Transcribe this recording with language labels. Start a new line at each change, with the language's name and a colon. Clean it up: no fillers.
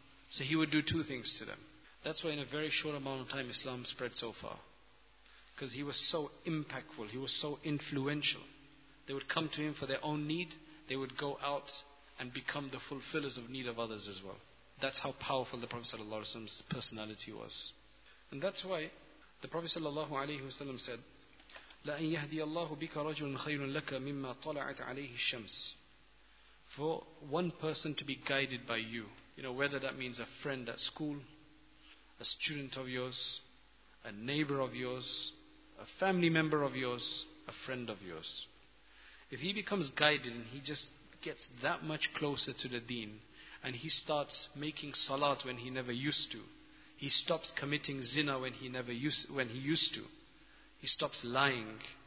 English: So he would do two things to them. That's why in a very short amount of time Islam spread so far. Because he was so impactful, he was so influential. They would come to him for their own need, they would go out and become the fulfillers of need of others as well. That's how powerful the Prophet's personality was. And that's why the Prophet ﷺ said,
Arabic: لَأَنْ يَهْدِيَ اللَّهُ بِكَ رَجُلٌ خَيْرٌ لَكَ مِمَّا طَلَعَتْ عَلَيْهِ الشَّمْسِ.
English: For one person to be guided by you, you know, whether that means a friend at school, a student of yours, a neighbor of yours, a family member of yours, a friend of yours. If he becomes guided and he just gets that much closer to the deen, and he starts making salat when he never used to, he stops committing zina when he used to, He stops lying.